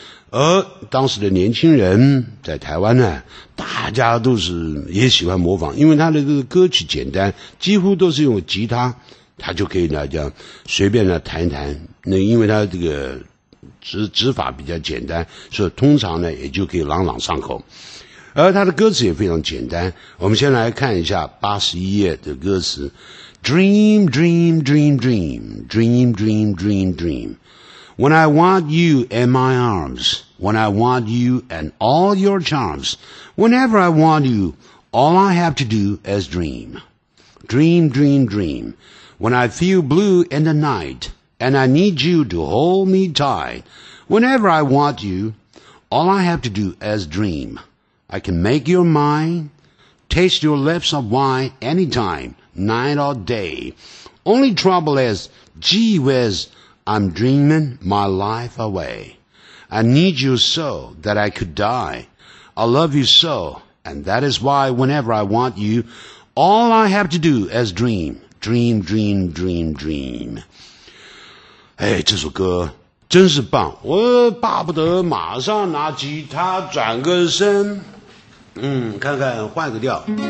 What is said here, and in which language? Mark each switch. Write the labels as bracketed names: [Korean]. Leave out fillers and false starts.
[Chinese] 而当时的年轻人在台湾呢，大家都是也喜欢模仿，因为他的这个歌曲简单，几乎都是用吉他，他就可以呢这样随便呢弹一弹，那因为他这个指法比较简单，所以通常呢也就可以朗朗上口。而他的歌词也非常简单，我们先来看一下81页的歌词。 [English] Dream, dream, dream, dream, dream, dream, dream, dream. When I want you in my arms, when I want you and all your charms, whenever I want you, all I have to do is dream. Dream, dream, dream. When I feel blue in the night,And I need you to hold me tight. Whenever I want you, all I have to do is dream. I can make your mind, taste your lips of wine anytime, night or day. Only trouble is, gee whiz, I'm dreaming my life away. I need you so that I could die. I love you so, and that is why whenever I want you, all I have to do is dream, dream, dream, dream, dream. [Chinese] 哎，这首歌真是棒，我巴不得马上拿吉他转个身，看看换个调。